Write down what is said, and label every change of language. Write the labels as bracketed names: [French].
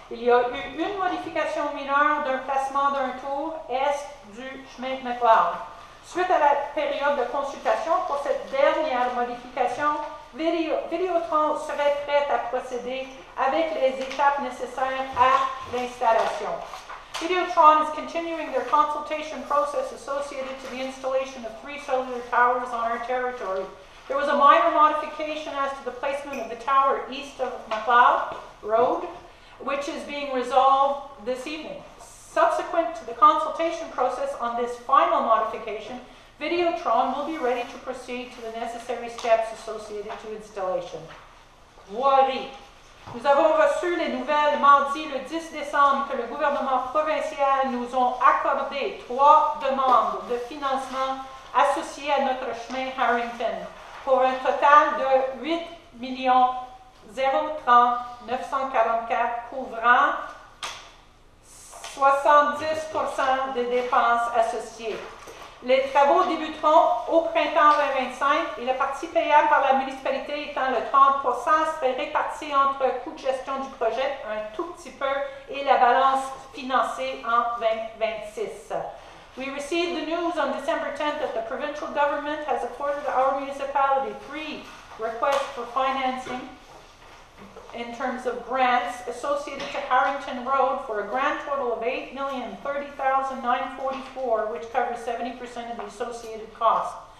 [French] Il y a eu une modification mineure d'un placement d'un tour est du chemin McLeod. Suite à la période de consultation pour cette dernière modification, Vidéotron serait prête à procéder avec les étapes nécessaires à l'installation. [English] Vidéotron is continuing their consultation process associated to the installation of three cellular towers on our territory. There was a minor modification as to the placement of the tower east of McLeod Road, which is being resolved this evening. Subsequent to the consultation process on this final modification, Vidéotron will be ready to proceed to the necessary steps associated to installation. [French] Voirie. Nous avons reçu les nouvelles mardi le 10 décembre que le gouvernement provincial nous a accordé trois demandes de financement associées à notre chemin Harrington pour un total de 8 030 944, couvrant 70% des dépenses associées. Les travaux débuteront au printemps 2025 et la partie payable par la municipalité étant le 30% serait répartie entre coûts de gestion du projet, un tout petit peu, et la balance financée en 2026. [English] We received the news on December 10th that the provincial government has afforded our municipality three requests for financing in terms of grants associated to Harrington Road for a grand total of $8,030,944, which covers 70% of the associated cost.